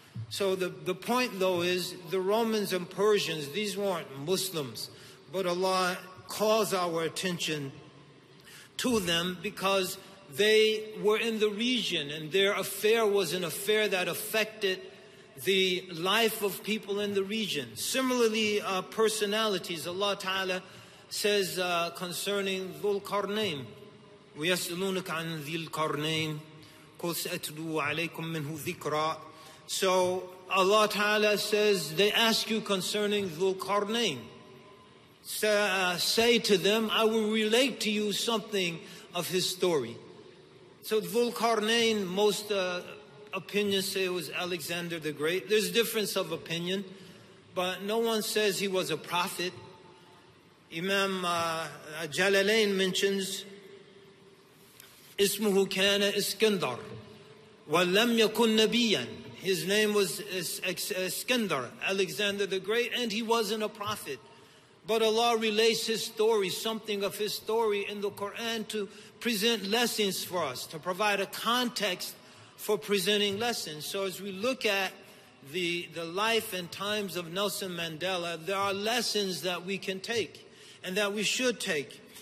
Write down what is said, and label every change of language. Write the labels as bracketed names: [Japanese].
[English] So the point, though, is the Romans and Persians, these weren't Muslims, but Allah calls our attention to them because they were in the region, and their affair was an affair that affected the life of people in the region. Similarly, personalities, Allah Ta'ala says concerning Dhul-Qarnayn, [Arabic] وَيَسْأَلُونَكَ عَنْ ذِي الْقَرْنَيْنِ قُلْ سَأَتْلُوا عَلَيْكُمْ مِنْهُ ذِكْرًا. [English] So Allah Ta'ala says, they ask you concerning Dhul-Qarnayn. Say to them, I will relate to you something of his story. So Dhul-Qarnayn, most opinions say it was Alexander the Great. There's difference of opinion, but no one says he was a prophet. Imam Jalalain mentions, [Arabic] اسمه كان اسكندر ولم يكن نبيا. [English] His name was Iskandar, Alexander the Great, and he wasn't a prophet. But Allah relates his story, something of his story in the Quran to present lessons for us, to provide a context for presenting lessons. So as we look at the life and times of Nelson Mandela, there are lessons that we can take and that we should take.